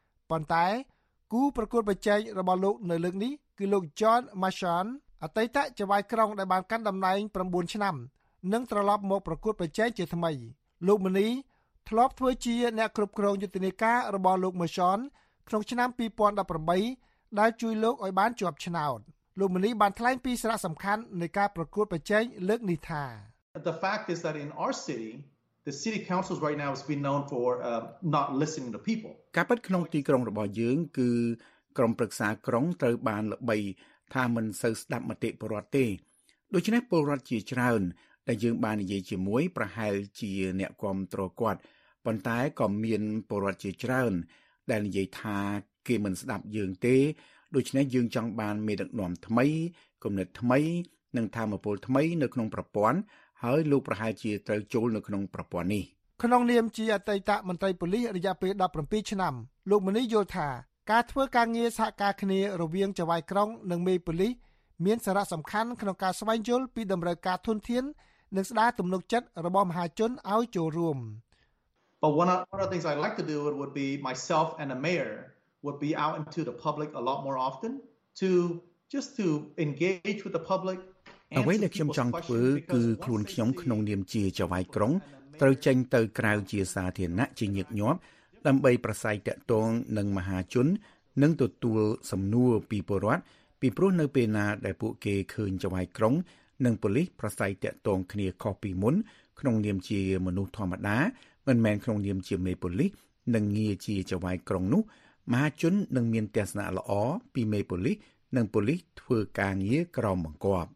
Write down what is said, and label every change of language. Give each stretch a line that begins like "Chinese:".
Khmer: ប៉ុន្តែគូប្រកួតប្រជែងរបស់លោកនៅលើកនេះគឺលោក John Marchand អតីតចៅហ្វាយក្រុងដែលបានកាន់តំណែង9ឆ្នាំនឹងត្រឡប់មកប្រកួតប្រជែងជាថ្មីលោកមនីធ្លាប់ធ្វើជាអ្នកគ្រប់គ្រងយុទ្ធនាការរបស់លោកម៉ាសានក្នុងឆ្នាំ2018ដែលជួយលោកឲ្យបានជាប់ឆ្នោតលោកមនីបានថ្លែងពីសារៈសំខាន់នៃការប្រកួតប្រជែងលើកនេះថា
English: The fact is that in our city the city councils right now has been known for not listening to people
Khmer: កាប់ក្នុងទីក្រុងរបស់យើងគឺក្រុមប្រឹក្សាក្រុងត្រូវបានល្បីថាមិនសូវស្ដាប់មតិប្រជាពលរដ្ឋទេដូច្នេះពលរដ្ឋជាច្រើនដែលយើងបាននិយាយជាមួយប្រហែលជាអ្នកគ្រប់គ្រងគាត់ប៉ុន្តែក៏មានពលរដ្ឋជាច្រើនដែលនិយាយថាគេមិនស្ដាប់យើងទេដូច្នេះយើងចង់បានមេដឹកនាំថ្មីគំនិតថ្មីនិងធម៌ពលថ្មីនៅក្នុងប្រព័ន្ធហើយលោកប្រហែលជាត្រូវចូលនៅក្នុងប្រព័ន្ធនេះ ក្នុងនាមជាអតីតមន្ត្រីប៉ូលីសរយៈពេល17ឆ្នាំលោកមនីយល់ថាការធ្វើការងារសហការគ្នារវាងចៅហ្វាយក្រុងនិងមេប៉ូលីសមានសារៈសំខាន់ក្នុងការស្វែងយល់ពីតម្រូវការធនធាននិងស្ដារទំនុកចិត្តរបស់មហាជនឲ្យចូលរួម
English: But one of the things I'd like to do would be myself and the mayor would be out into the public a lot more often to just to engage with the public
Khmer: អ្វីដែលខ្ញុំចង់ធ្វើគឺខ្លួនខ្ញុំក្នុងនាមជាចៅហ្វាយក្រុងត្រូវចេញទៅក្រៅជាសាធារណៈជាញឹកញាប់ដើម្បីប្រស័យតាក់ទងនឹងមហាជននិងទទួលសំណួរពីពលរដ្ឋពីព្រោះនៅពេលណាដែលពួកគេឃើញចៅហ្វាយក្រុងនិងប៉ូលីសប្រស័យតាក់ទងគ្នាខុសពីមុនក្នុងនាមជាមនុស្សធម្មតាមិនមែនក្នុងនាមជាមេប៉ូលីសនិងងារជាចៅហ្វាយក្រុងនោះមហាជននឹងមានទស្សនៈល្អពីមេប៉ូលីសនិងប៉ូលីសធ្វើការងារក្រោមបង្គាប